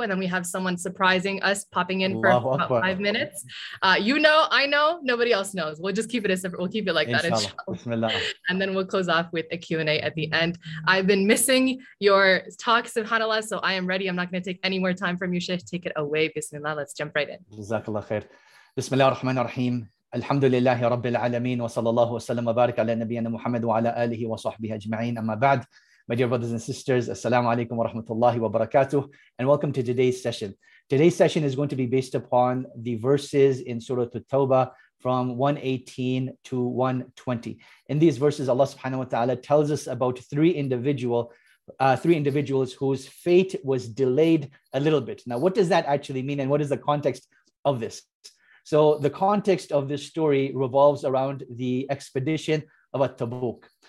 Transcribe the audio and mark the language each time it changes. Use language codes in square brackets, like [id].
[en] And then we have someone surprising us popping in for about 5 minutes. Nobody else knows. We'll just keep it inshallah. And then we'll close off with a Q&A at the end. I've been missing your talk, subhanAllah. So I am ready. I'm not going to take any more time from you, Sheikh. Take it away. Bismillah. Let's jump right in. Jazakallah khair. [ar] بسم الله الرحمن الرحيم الحمد لله رب العالمين وصلى الله وسلم وبارك على نبينا محمد وعلى آله وصحبه أجمعين أما بعد [en] My dear brothers and sisters, assalamu alaikum wa rahmatullahi wa barakatuh, and welcome to today's session. Today's session is going to be based upon the verses in Surah At-Tawbah from 118 to 120. In these verses, Allah subhanahu wa ta'ala tells us about three individuals whose fate was delayed a little bit. Now, what does that actually mean, and what is the context of this? So the context of this story revolves around the expedition of At-Tabuk.